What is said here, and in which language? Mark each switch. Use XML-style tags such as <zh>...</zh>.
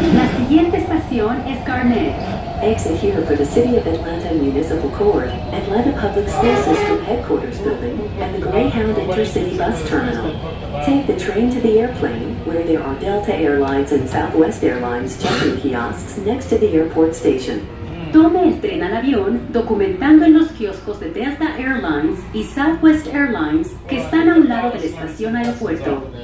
<es>La siguiente estación es Garnett.</es> <en>Exit here for the City of Atlanta Municipal Court, Atlanta Public School System Headquarters Building, and the Greyhound Intercity Bus Terminal. Take the train to the airplane, where there are Delta Airlines and Southwest Airlines check-in kiosks next to the airport station.</en> <es>Tome el tren al avión, documentando en los kioscos de Delta Airlines y Southwest Airlines que están a un lado de la estación aeropuerto.</es>